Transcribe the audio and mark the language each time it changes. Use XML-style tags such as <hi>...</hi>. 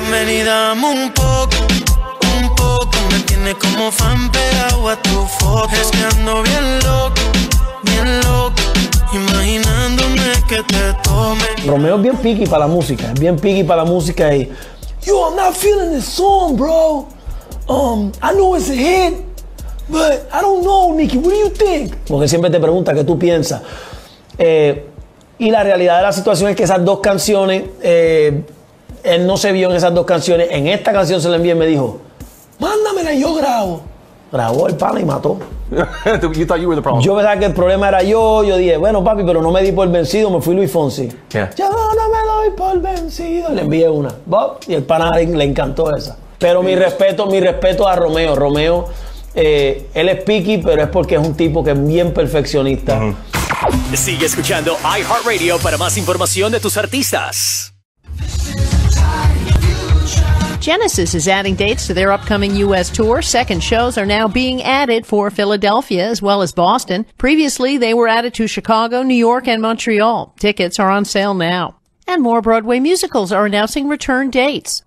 <es>Ven y dame un poco, me tiene como fan pegado a tu foto. Es que ando bien loco, imaginándome que te tome. Romeo es bien picky para la música, bien picky para la música y...</es> <en>Yo, I'm not feeling this song, bro. I know it's a hit. But I don't know, Nicky, what do you think?</en> <es>Porque siempre te pregunta qué tú piensas. Y la realidad de la situación es que esas dos canciones, él no se vio en esas dos canciones. En esta canción se la envié y me dijo, mándamela y yo grabo. Grabó el pana y mató.</es> <en>You thought you were the problem.</en> <es>Yo pensaba que el problema era yo. Yo dije, bueno, papi, pero no me di por vencido, me fui Luis Fonsi.</es> <en>Yeah.</en> <es>Yo no me doy por vencido. Le envié una. Bob, y el pana le encantó esa. Pero yeah. mi respeto a Romeo. Romeo... él es picky, pero es porque es un tipo que es bien perfeccionista. Uh-huh. Sigue escuchando iHeartRadio para más información de tus artistas.</es> <en>Genesis is adding dates to their upcoming U.S. tour. Second shows are now being added for Philadelphia as well as Boston. Previously, they were added to Chicago, New York, and Montreal. Tickets are on sale now. And more Broadway musicals are announcing return dates.</en>